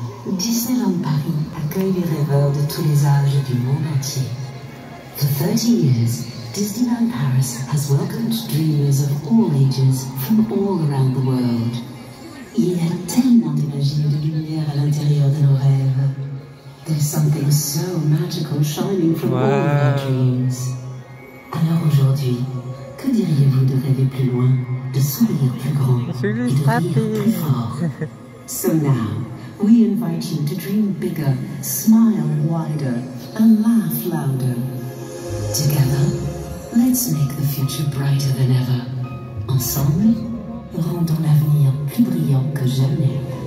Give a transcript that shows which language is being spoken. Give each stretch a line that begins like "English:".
French: Disneyland Paris accueille les rêveurs de tous les âges du monde entier.
English: For 30 years, Disneyland Paris has welcomed dreamers of all ages from all around the world.
French: Il y a tellement de magie et de lumière à l'intérieur de nos rêves.
English: There's something so magical shining from all of our dreams.
French: Alors aujourd'hui, que diriez-vous de rêver plus loin, de sourire plus grand et de rire plus fort?
English: So now, we invite you to dream bigger, smile wider, and laugh louder. Together, let's make the future brighter than ever.
French: Ensemble, rendons l'avenir plus brillant que jamais.